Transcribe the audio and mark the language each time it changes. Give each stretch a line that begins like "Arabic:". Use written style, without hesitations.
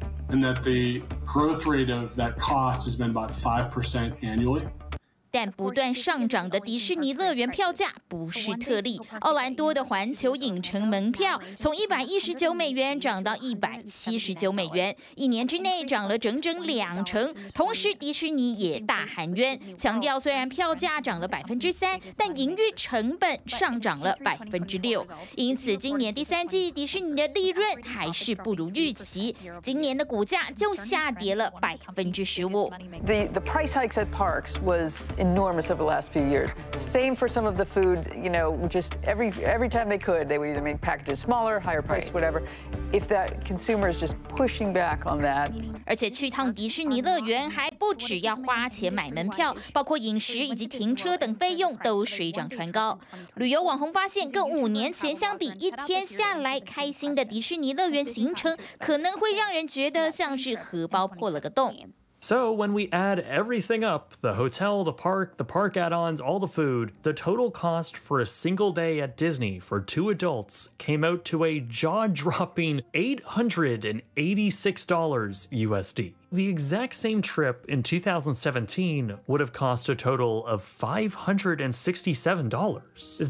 English: And that the growth rate of that cost has been about 5% annually.
Chinese: 但不断上涨的迪士尼乐园票价不是特例，奥兰多的环球影城门票从$119涨到$179，一年之内涨了整整20%。同时，迪士尼也大喊冤，强调虽然票价涨了3%，但营运成本上涨了6%。因此，今年第三季迪士尼的利润还是不如预期，今年的股价就下跌了15%。
English: The price hikes at parks was enormous over the last few years. Same for some of the food, you know, just every time they could, they would either make packages smaller, higher price, whatever. If that consumer is just pushing back on that.
Chinese: 而且去趟迪士尼乐园还不只要花钱买门票，包括饮食以及停车等费用都水涨船高。旅游网红发现，跟5年前相比，一天下来开心的迪士尼乐园行程可能会让人觉得像是荷包破了个洞。
English: So when we add everything up, the hotel, the park add-ons, all the food, the total cost for a single day at Disney for two adults came out to a jaw-dropping $886 USD. The exact same trip in 2017 would have cost a total of $567.